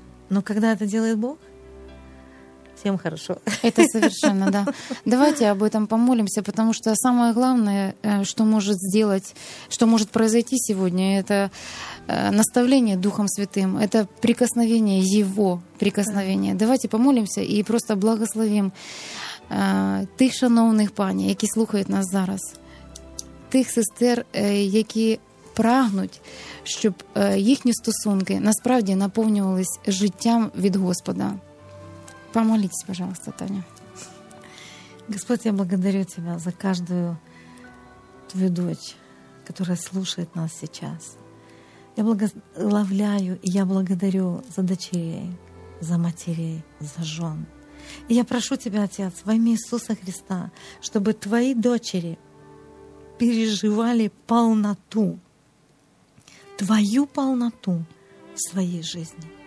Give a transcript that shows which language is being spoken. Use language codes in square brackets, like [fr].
[ru] Но когда это делает Бог, всем хорошо. Это совершенно, да. Давайте об этом помолимся, потому что самое главное, что может сделать, что может произойти сегодня, это наставление Духом Святым, это прикосновение, Его прикосновение. Давайте помолимся и просто благословим [uk] тих шановних пані, які слухають нас зараз. Тих сестер, які прагнуть, щоб їхні стосунки насправді наповнювались життям від Господа. Помоліться, пожалуйста, Таня. [ru] Господь, я благодарю Тебя за каждую Твою дочь, которая слушает нас сейчас. Я благословляю и я благодарю за дочерей, за матерей, за жен. И я прошу Тебя, Отец, во имя Иисуса Христа, чтобы Твои дочери переживали полноту, Твою полноту в своей жизни.